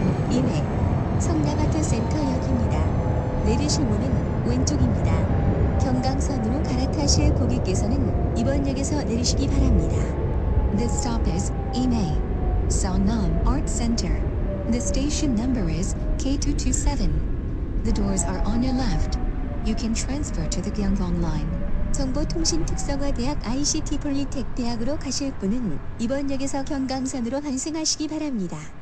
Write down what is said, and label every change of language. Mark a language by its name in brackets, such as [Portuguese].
[Korean] 인해 성남아트 센터역입니다. 내리실 문은 왼쪽입니다. 경강선으로 갈아타실 고객께서는 이번 역에서 내리시기 바랍니다. [English] This stop is Ime Seongnam Art Center. The station number is K227. The doors are on your left. You can transfer to the Gyeonggang line. [Korean] 정보통신특성화대학 ICT 폴리텍 대학으로 가실 분은 이번 역에서 경강선으로 환승하시기 바랍니다.